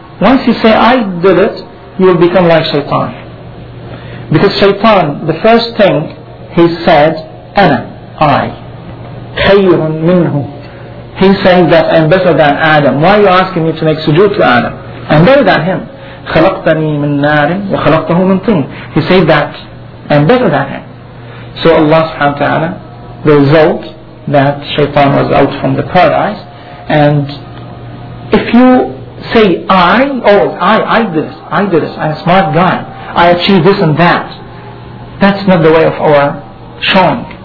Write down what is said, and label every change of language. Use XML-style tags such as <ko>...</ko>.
<en>Once you say, I did it, you will become like Shaitan. Because Shaitan, the first thing he said, Ana, I,</en> <ar>khayrun minhu.</ar> <en>He saying that I'm better than Adam. Why are you asking me to make sujood to Adam? I'm better than him.</en> <ar>خلقتني من نار وخلقته من طين.</ar> <en>He said that I'm better than him. So Allah subhanahu wa ta'ala, the result that Shaitan was out from the paradise. And if you say I did this, I'm a smart guy, I achieved this and that, that's not the way of our showing.</en>